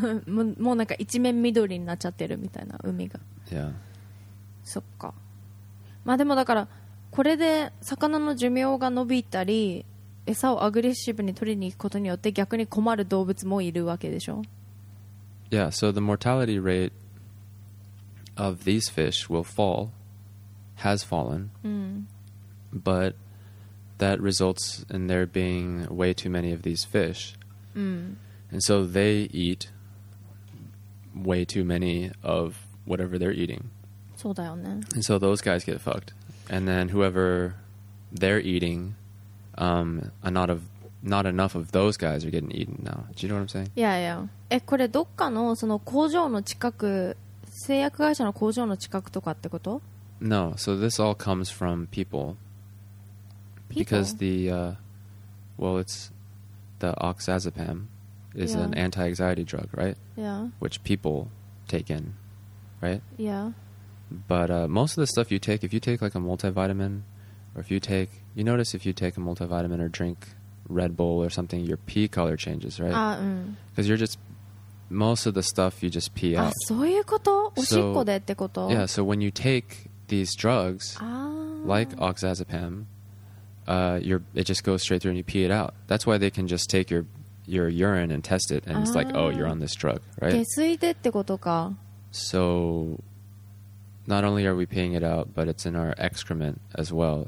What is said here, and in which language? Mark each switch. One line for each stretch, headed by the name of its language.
Japanese: もうなんか一面緑になっちゃってるみたいな海が。
English: Yeah.
Japanese: そっか。まあでもだからこれで魚の寿命が伸びたり、餌をアグレッシブに取りに行くことによって逆に困る動物もいるわけでしょ。
English: Yeah. So the mortality rate of these fish will fall, has fallen. But that results in there being way too many of these fish. And so they eat way too many of whatever they're eating.
Japanese: そうだよね。
English: And so those guys get fucked. And then whoever they're eating, not enough of those guys are getting eaten now. Do you know what I'm saying? Yeah, yeah.
Japanese: これどっかのその工場の近く、製薬会社の工場の近くとかってこと?
English: No, so this all comes from people. People? Because the, well, it's the oxazepam is an anti-anxiety drug, right? Yeah. Which people take in, right? Yeah. But most of the stuff you take, if you take like a multivitamin, or if you take, you notice if you take a multivitamin or drink Red Bull or something, your pee color changes, right? Because you're just, most of the stuff you just pee out.
Japanese: そういうこと?おしっこでってこと?
English: Yeah, so when you take these drugs, like oxazepam, it just goes straight through and you pee it out. That's why they can just take your urine and test it and it's like, oh, you're on this drug, right?
Japanese: 下水でってことか?
English: So not only are we peeing it out, but it's in our excrement as well.